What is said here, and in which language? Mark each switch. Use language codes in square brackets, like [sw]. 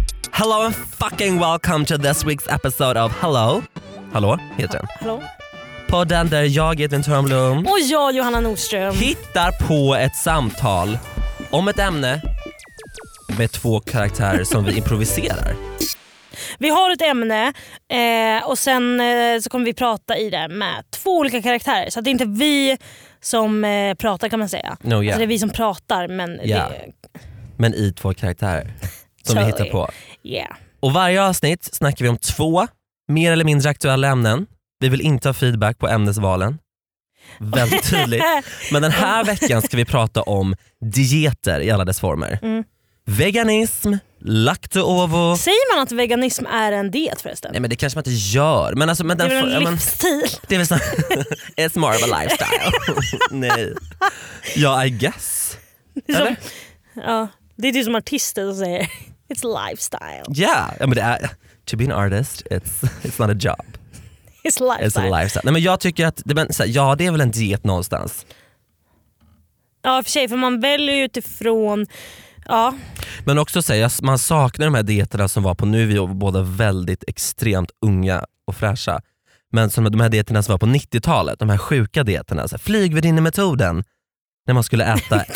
[en] Hello and fucking welcome to this week's episode of Hello. [sv] Hallå heter den. Hallå. Podden där jag, Edvin Törnblom, och jag, Johanna Nordström, hittar på ett samtal om ett ämne med två karaktärer som vi improviserar. Vi har ett ämne och sen så kommer vi prata i det med två olika karaktärer. Så att det är inte vi som pratar, kan man säga. [en] No, yeah. [sv] Alltså det är vi som pratar, men [en] yeah, [sv] det... Men i två karaktärer som vi hittar på. [en] Yeah. [sv] Och varje avsnitt snackar vi om två mer eller mindre aktuella ämnen. Vi vill inte ha feedback på ämnesvalen. Väldigt tydligt. Men den här veckan ska vi prata om dieter i alla dess former. Mm. Veganism, lacto-ovo. Säger man att veganism är en diet förresten? Nej, men det kanske man inte gör. Men alltså, men det är en livsstil. Det är så, [en] it's more of a lifestyle. [sv] Nej. Ja, [en] I guess. [sv] Det är som, ja, det är du som artister som säger. [en] It's lifestyle. Yeah, [sv] ja, men det är, [en] to be an artist, it's not a job. It's a lifestyle. It's a lifestyle. [sv] Nej, men jag tycker att det, men, så här, ja, det är väl en diet någonstans. Ja, för sig, för man väljer utifrån, ja. Men också säga, man saknar de här dieterna som var på, nu är vi båda väldigt extremt unga och fräscha. Men som de här dieterna som var på 90-talet, de här sjuka dieterna, så flygvärdinnemetoden när man skulle äta en köttbit.